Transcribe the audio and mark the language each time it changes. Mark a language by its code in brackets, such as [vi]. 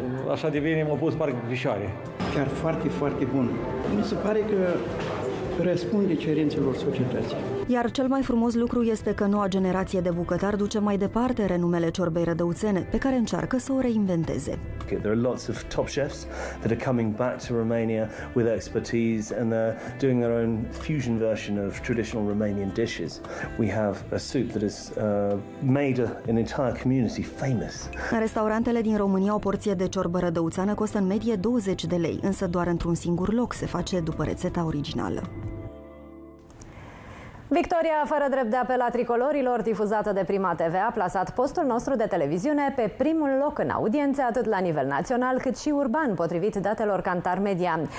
[ro] Așa de bine m-a pus parcă vișoare. Chiar foarte, foarte bun. Mi se pare că răspunde cerințelor societății. Iar cel mai frumos lucru este că noua generație de bucătari duce mai departe renumele ciorbei rădăuțene, pe care încearcă să o reinventeze. [en] Okay, there are lots of top chefs that are coming back to Romania with expertise and they're doing their own fusion version of traditional Romanian dishes. We have a soup that has made an entire community famous. [ro] Restaurantele din România, o porție de ciorbă rădăuțeană costă în medie 20 de lei, însă doar într-un singur loc se face după rețeta originală. Victoria fără drept de apel a tricolorilor, difuzată de Prima TV, a plasat postul nostru de televiziune pe primul loc în audiențe, atât la nivel național, cât și urban, potrivit datelor Kantar Media.